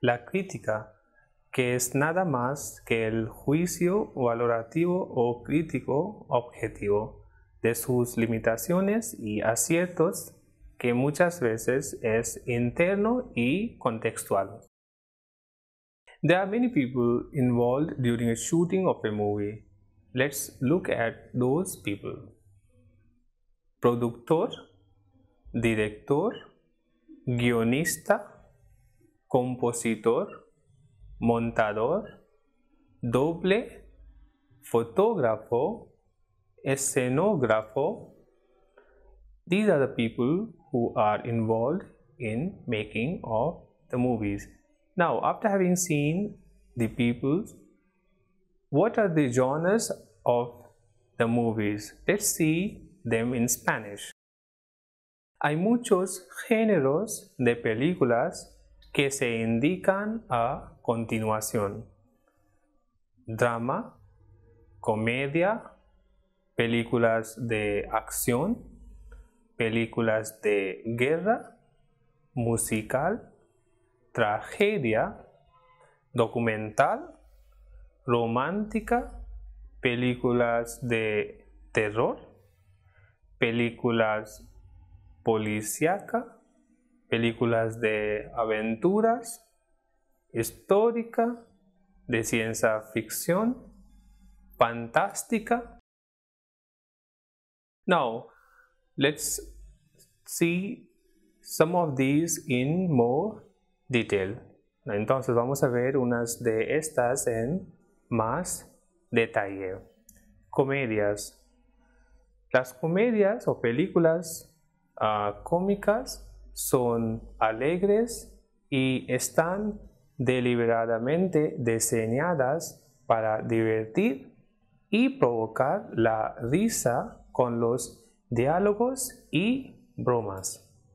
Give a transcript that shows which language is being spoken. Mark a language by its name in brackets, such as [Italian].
[Spanish] La crítica, que es nada más que el juicio valorativo o crítico objetivo de sus limitaciones y aciertos, que muchas veces es interno y contextual. [English] There are many people involved during a shooting of a movie. Let's look at those people. [Spanish] Productor, director, guionista, compositor, montador, doble, fotógrafo, escenógrafo. [English] These are the people who are involved in making of the movies. Now, after having seen the people, what are the genres of the movies? Let's see them in Spanish. [Spanish] Hay muchos géneros de películas que se indican a continuación. Drama, comedia, películas de acción, películas de guerra, musical, tragedia, documental, romántica, películas de terror, películas policíaca, películas de aventuras, histórica, de ciencia ficción, fantástica. [English] Now, let's see some of these in more detail. [Spanish] Entonces vamos a ver unas de estas en más detalle. Comedias. Las comedias o películas cómicas son alegres y están deliberadamente diseñadas para divertir y provocar la risa con los diálogos y bromas.